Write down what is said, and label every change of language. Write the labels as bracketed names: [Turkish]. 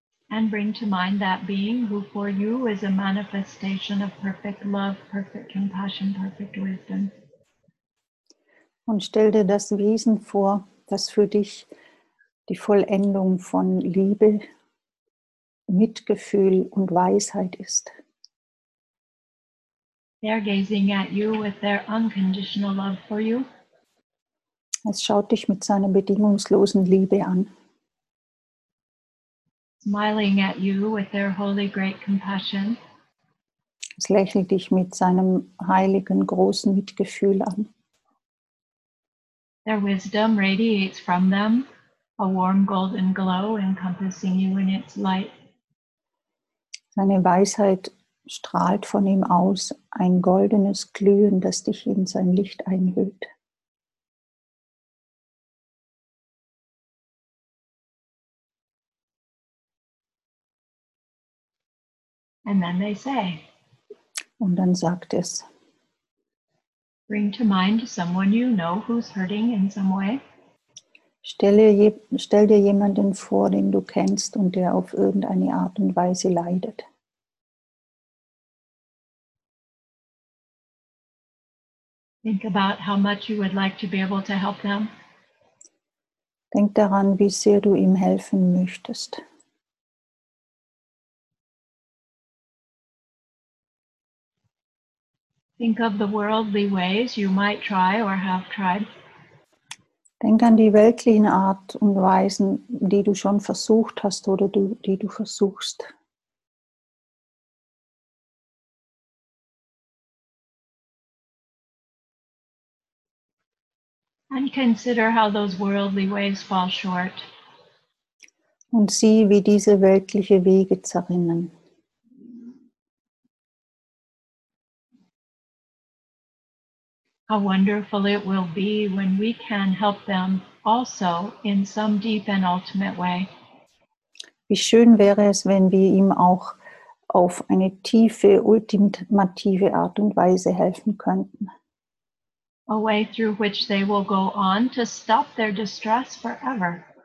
[English] And bring to mind that being who for you is a manifestation of perfect love, perfect compassion, perfect wisdom. [German] Und stell dir das Wesen vor, das für dich die Vollendung von Liebe, Mitgefühl und Weisheit ist. [English] They are gazing at you with their unconditional love for you. [German] Es schaut dich mit seiner bedingungslosen Liebe an. [English] Smiling at you with their holy great compassion. [German] Es lächelt dich mit seinem heiligen großen Mitgefühl an. [English] Their wisdom radiates from them, a warm golden glow encompassing you in its light. [German] Seine Weisheit strahlt von ihm aus, ein goldenes Glühen, das dich in sein Licht einhüllt. [English] And then they say, [German] und dann sagt es, [English] bring to mind someone you know who's hurting in some way. [German] Stell dir jemanden vor, den du kennst und der auf irgendeine Art und Weise leidet. [English] Think about how much you would like to be able to help them. [German] Denk daran, wie sehr du ihm helfen möchtest. [English] Think of the worldly ways you might try or have tried. [German] Denk an die weltlichen Art und Weisen, die du schon versucht hast oder die du versuchst. [English] And consider how those worldly ways fall short. [German] Und sieh, wie diese weltlichen Wege zerrinnen. [English] How wonderful it will be when we can help them also in some deep and ultimate way. [German] Wie schön wäre es, wenn wir ihm auch auf eine tiefe, ultimative Art und Weise helfen könnten. [English] A way through which they will go on to stop their distress forever.